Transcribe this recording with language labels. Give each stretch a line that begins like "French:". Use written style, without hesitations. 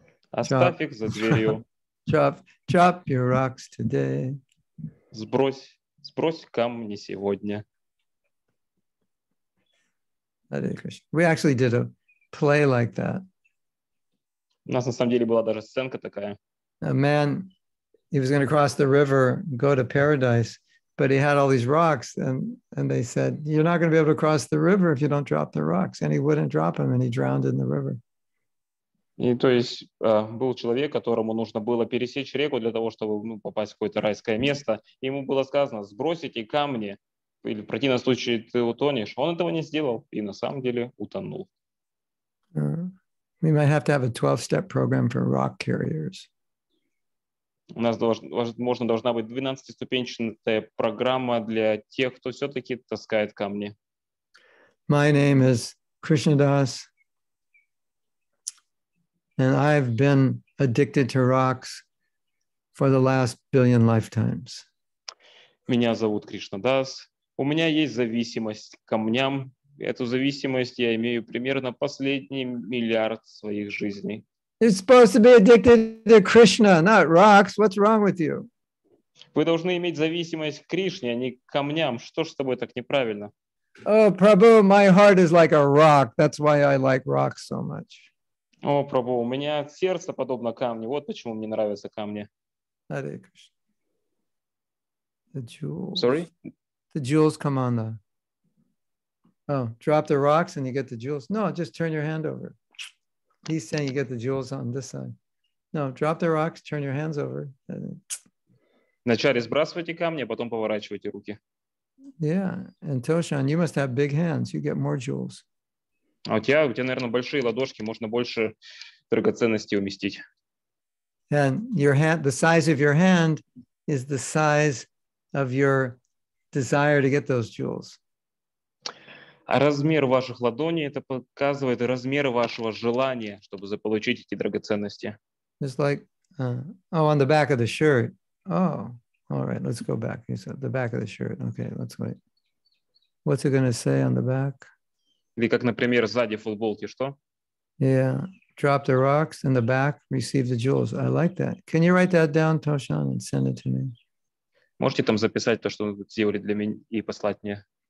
Russian: Оставь их за дверью.
English: Drop, drop your rocks today.
Russian: Сбрось. Сбрось камни сегодня.
English: Hare Krishna. We actually did a play like that.
Russian: У нас на самом деле была даже сценка такая.
English: A man, he was going to cross the river, go to paradise, but he had all these rocks, and they said, you're not going to be able to cross the river if you don't drop the rocks. And he wouldn't drop them, and he drowned in the river.
Russian: И то есть был человек, которому нужно было пересечь реку для того, чтобы ну, попасть в какое-то райское место. Ему было сказано, сбросите камни, или в противном случае ты утонешь. Он этого не сделал и на самом деле утонул.
English: We might have to have a 12-step program for rock carriers.
Russian: У нас должна быть 12-ступенчатая программа для тех, кто все-таки таскает камни.
English: My name is Krishnadas. And I've been addicted to rocks for the last billion lifetimes.
Russian: Меня зовут Кришнадас. У меня есть зависимость к камням. Эту зависимость я имею примерно последний миллиард своих жизней.
English: You're supposed to be addicted to Krishna, not rocks. What's wrong with you?
Russian: Вы должны иметь зависимость к Кришне, а не к камням. Что ж с тобой так неправильно?
English: Oh, Prabhu, my heart is like a rock. That's why I like rocks so much.
Russian: О, Прабху, у меня сердце подобно камню. Вот почему мне нравятся камни.
English: Hare Krishna. The jewels. Sorry? The jewels come on the... Oh, drop the rocks and you get the jewels. No, just turn your hand over. He's saying you get the jewels on this side. No, drop the rocks, turn your hands over.
Russian: Вначале сбрасывайте камни, а потом поворачивайте руки.
English: Yeah, and Toshan, you must have big hands. You get more jewels.
Russian: А у тебя, наверное, большие ладошки, можно больше драгоценностей уместить.
English: And your hand, the size of your hand is the size of your desire to get those jewels.
Russian: А размер ваших ладоней это показывает размер вашего желания, чтобы заполучить эти драгоценности.
English: It's like, oh, on the back of the shirt. Oh, all right, let's go back. It's at the back of the shirt. Okay, let's wait. What's it going to say on the back?
Russian: Или как, например, сзади футболки, что?
English: Yeah, drop the rocks in the back, receive the jewels. I like that. Can you write that down, Toshan, and send it to me?
Russian: Можете там записать то, что вы сделали для меня, и послать мне?